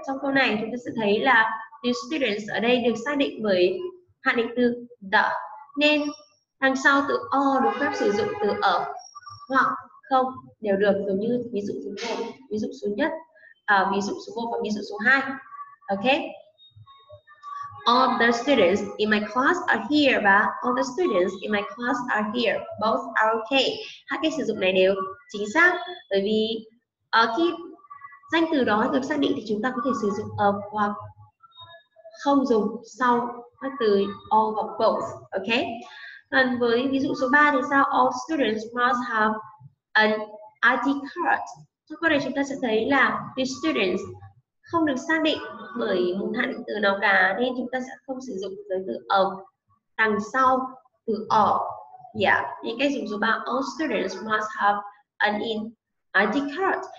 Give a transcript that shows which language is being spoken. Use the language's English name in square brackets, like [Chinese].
[Vietnamese] Trong câu này chúng ta sẽ thấy là the students ở đây được xác định bởi hạn định từ the. Nên đằng sau từ all được phép sử dụng từ of hoặc không đều được, giống như ví dụ số 1, ví dụ số nhất, ví dụ số 1 và ví dụ số 2. [English] Ok, all of the students in my class are here và all the students in my class are here, both are okay. [Vietnamese] Hai cái sử dụng này đều chính xác, bởi vì khi danh từ đó được xác định thì chúng ta có thể sử dụng of hoặc không dùng sau các từ all và both. Ok, còn với ví dụ số 3 thì sao? [English] All students must have an ID card. [Vietnamese] Trong câu này chúng ta sẽ thấy là the students không được xác định bởi một hạn định từ nào cả, nên chúng ta sẽ không sử dụng giới từ of đằng sau từ all. [English] Yeah, [Vietnamese] những cái dùng số 3, [English] all students must have an ID card.